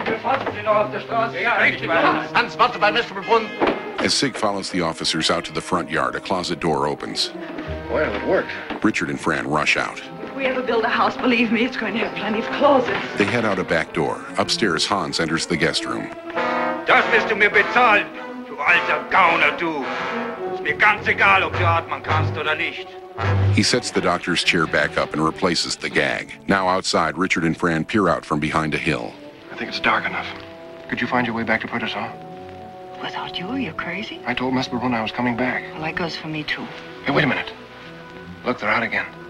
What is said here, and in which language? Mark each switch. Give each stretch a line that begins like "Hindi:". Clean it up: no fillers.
English: As Sig follows the officers out to the front yard, a closet door opens. Well, it worked. Richard and Fran rush out. If we ever build a house, believe me, it's going to have plenty of closets. They head out a back door. Upstairs, Hans enters the guest room.
German: Das wirst du mir bezahlen, du alter Gauner, du. Ist mir ganz egal, ob du atmen kannst oder nicht.
English: He sets the doctor's chair back up and replaces the gag. Now outside, Richard and Fran peer out from behind a hill. I think it's dark enough. Could you find your way back to Pritisaw? Without you, you're crazy. I told Mesperun I was coming back. Well, that goes for me, too. Hey, wait a minute. Look, they're out again.